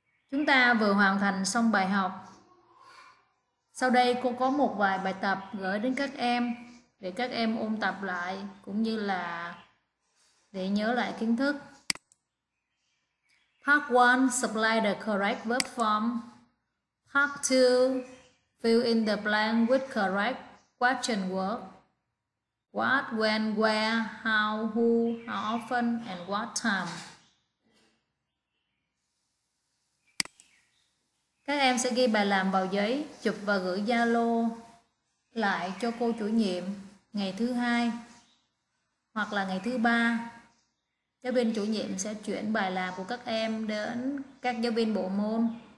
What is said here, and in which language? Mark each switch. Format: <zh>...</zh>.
<vi>Chúng ta vừa hoàn thành xong bài học. Sau đây cô có một vài bài tập gửi đến các em để các em ôn tập lại cũng như là để nhớ lại kiến thức.</vi> <en>Part 1, supply the correct verb form. Part 2, fill in the blank with correct question word. What, when, where, how, who, how often, and what time.</en> <vi>Các em sẽ ghi bài làm vào giấy, chụp và gửi Zalo lại cho cô chủ nhiệm ngày thứ 2 hoặc là ngày thứ 3. Giáo viên chủ nhiệm sẽ chuyển bài làm của các em đến các giáo viên bộ môn.</vi>